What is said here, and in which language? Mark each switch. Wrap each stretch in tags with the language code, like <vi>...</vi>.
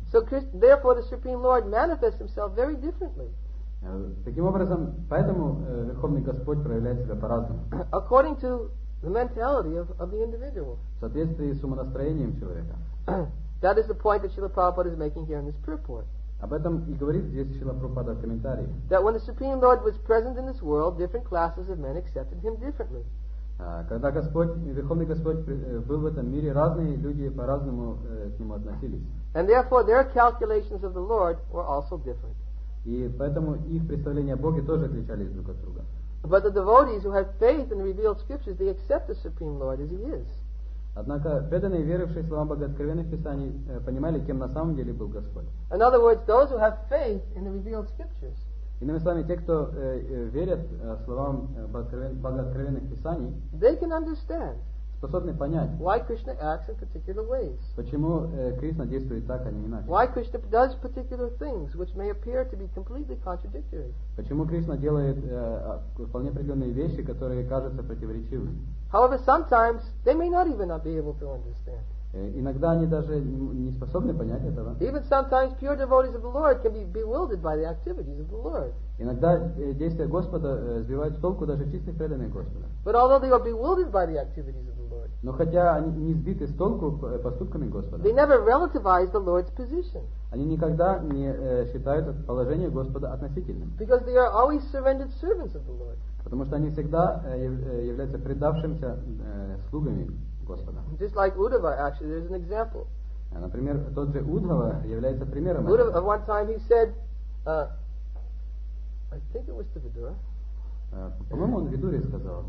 <en>So therefore the Supreme Lord manifests himself very differently.</en> <ru>Таким образом, поэтому Верховный Господь проявляет себя по-разному.</ru> <en>According to the mentality of the individual.</en> <ru>В соответствии с умонастроением человека.</ru> <en>That is the point that Srila Prabhupada is making here in this purport.</en> <ru>Об этом и говорит здесь Шрила Прабхупада в комментарии.</ru> <en>That when the Supreme Lord was present in this world, different classes of men accepted him differently.</en> <ru>Когда Господь, Верховный Господь был в этом мире, разные люди по-разному к нему относились.</ru> <en>And therefore their calculations of the Lord were also different.</en> <ru>И поэтому их представления о Боге тоже отличались друг от друга.</ru> <en>But the devotees who have faith in the revealed scriptures, they accept the Supreme Lord as he is.</en> <ru>Однако преданные, верившие словам Богооткровенных Писаний, понимали, кем на самом деле был Господь.</ru> <en>In other words, those who have faith in the revealed scriptures.</en> <ru>Иными словами, те, кто верят словам Богооткровенных Писаний,</ru> <en>they can understand.</en> <ru>Способны понять,</ru> <en>why Krishna acts in particular ways.</en> <ru>Почему Кришна действует так, а не иначе.</ru> <en>Why Krishna does particular things, which may appear to be completely contradictory.</en> <ru>Почему Кришна делает вполне определенные вещи, которые кажутся противоречивыми.</ru> <en>However, sometimes they may not even not be able to understand.</en> <ru>Иногда они даже не способны понять этого.</ru> <en>Even sometimes pure devotees of the Lord can be bewildered by the activities of the Lord.</en> <ru>Иногда действия Господа сбивают с толку даже чистых преданных Господа.</ru> <en>But although they are bewildered by the activities of the Lord,</en> <ru>но хотя они не сбиты с толку поступками Господа,</ru> <en>they never relativize the Lord's position.</en> <ru>Они никогда не считают положение Господа относительным.</ru> <en>Because they are always surrendered servants of the Lord.</en> <ru>Потому что они всегда являются предавшимся слугами.</ru> <en>Just like Uddhava, actually, there's an example.</en> <ru>Например, тот же Уддхава является примером.</ru> <en>Uddhava, at one time he said, I think it was to Vidura.</en> <ru>По-моему, он Видуре сказал.</ru>